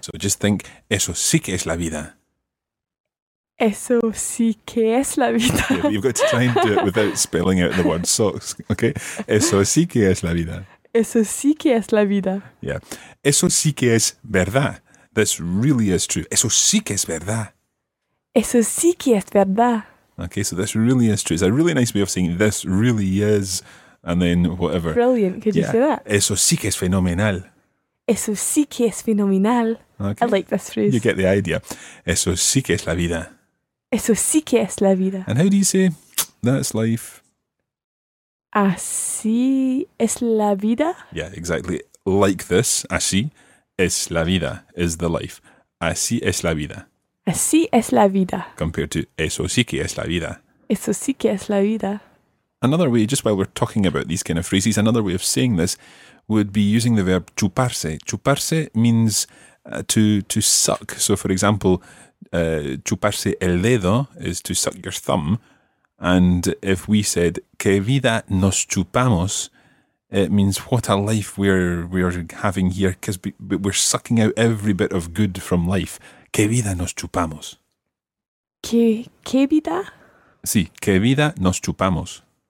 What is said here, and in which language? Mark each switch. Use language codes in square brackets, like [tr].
[en] So just think, [es] eso sí que es la vida. Eso sí que es la vida. [en] Yeah, you've got to try and do it without spelling out the word socks, okay? [es] Eso sí que es la vida. Eso sí que es la vida. [en] Yeah. [es] Eso sí que es verdad. [en] This really is true. [es] Eso sí que es verdad. Eso sí que es verdad. [en] Okay, so this really is true. It's a really nice way of saying this really is, and then whatever. Brilliant. Could you say that? [es] Eso sí que es fenomenal. Eso sí que es fenomenal. [en] Okay. I like this phrase. You get the idea. [es] Eso sí que es la vida. Eso sí que es la vida. [en] And how do you say that's life? [es] Así es la vida. [en] Yeah, exactly. Like this, [es] así es la vida, [en] is the life. [es] Así es la vida. Así es la vida. [en] Compared to [es] eso sí que es la vida. Eso sí que es la vida. [en] Another way, just while we're talking about these kind of phrases, another way of saying this would be using the verb chuparse. Chuparse means to suck. So, for example, [es] chuparse el dedo [en] is to suck your thumb. And if we said [es] que vida nos chupamos, [en] it means what a life we're having here, because we're sucking out every bit of good from life. [es] Que vida nos chupamos. Que vida? Sí, que vida nos chupamos.